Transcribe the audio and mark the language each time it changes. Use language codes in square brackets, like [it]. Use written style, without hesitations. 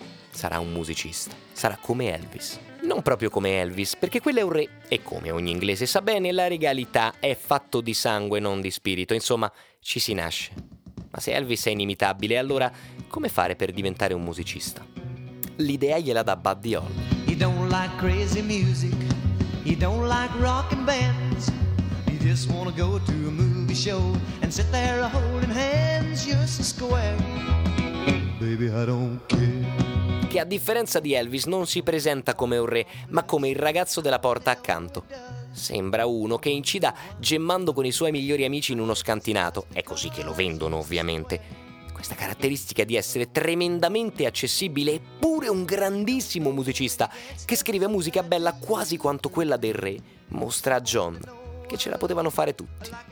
[it] Sarà un musicista. Sarà come Elvis. Non proprio come Elvis, perché quello è un re. E come ogni inglese sa bene, la regalità è fatto di sangue, non di spirito. Insomma, ci si nasce. Ma se Elvis è inimitabile, allora come fare per diventare un musicista? L'idea gliela dà Buddy Holly. [en] You don't like crazy music. You don't like rock and bands. You just wanna go to a movie show and sit there holding hands. You're so square. Baby, I don't care. [it] Che a differenza di Elvis non si presenta come un re, ma come il ragazzo della porta accanto. Sembra uno che incida gemmando con i suoi migliori amici in uno scantinato. È così che lo vendono, ovviamente. Questa caratteristica di essere tremendamente accessibile, eppure un grandissimo musicista che scrive musica bella quasi quanto quella del re, mostra a John che ce la potevano fare tutti.